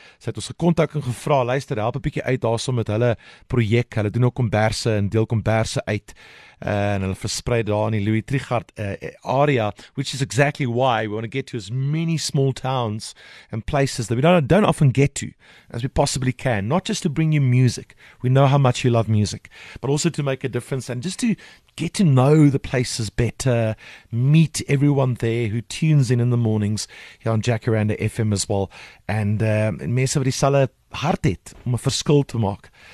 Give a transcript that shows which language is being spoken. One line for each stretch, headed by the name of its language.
Afrikaans: Sy het ons gekontak en gevra, luister, help 'n bietjie uit daarsom met hulle projek. Hulle doen ook komberse en deel komberse uit. En hulle versprei daar in die Louis Trichardt area,
English: which is exactly why we want to get to as many small towns and places that we don't often get to as we possibly can. Not just to bring you music. We know how much you love music. But also to make a difference and just to get to know the places better, meet everyone there who tunes in the mornings here on Jacaranda FM as well.
Afrikaans: And mense wat die sal hard het om 'n verskil te maak.